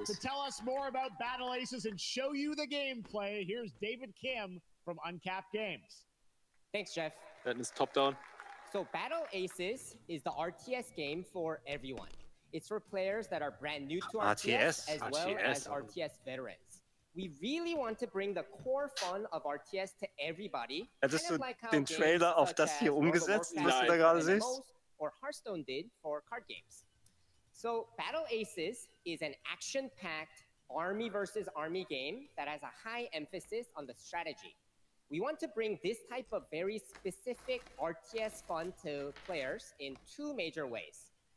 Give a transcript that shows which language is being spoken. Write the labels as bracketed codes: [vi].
[en] To tell us more about Battle Aces and show you the gameplay, here's David Kim from Uncapped Games. Thanks, Jeff. That is top down. So Battle Aces is the RTS game for everyone. It's for players that are brand new to RTS as well as RTS veterans. We really want to bring the core fun of RTS to everybody. [de] Hättest du den Trailer auf das hier umgesetzt, was du da gerade siehst? [en] Or Hearthstone did for card games. So, Battle Aces is an action-packed army versus army game that has a high emphasis on the strategy. We want to bring this type of very specific RTS fun to players in two major ways.